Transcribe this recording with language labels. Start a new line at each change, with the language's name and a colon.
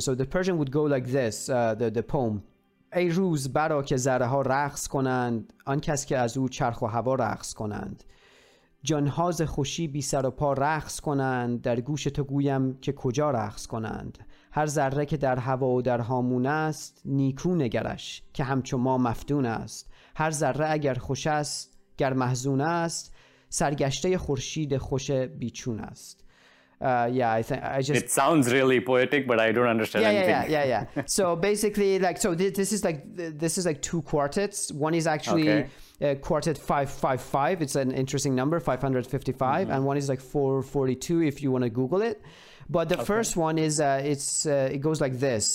English: So the Persian would go like this, the poem.
Persian: ای روز برا که ذره ها رقص کنند آن کس که از او چرخ و هوا رقص کنند جان ها ز خوشی بی سر و پا رقص کنند در گوش تو گویم که کجا رقص کنند هر ذره که در هوا و در هامون است نیکو نگرش که همچو ما مفتون است هر ذره اگر خوش است گر محزون است سرگشته خورشید خوش بیچون است
English: It sounds really poetic, but I don't understand anything. So basically, like, so this is like two quartets. One is actually quartet 555. It's an interesting number, 555. Mm-hmm. And one is like 442 if you want to Google it. But the first one is, it goes like this.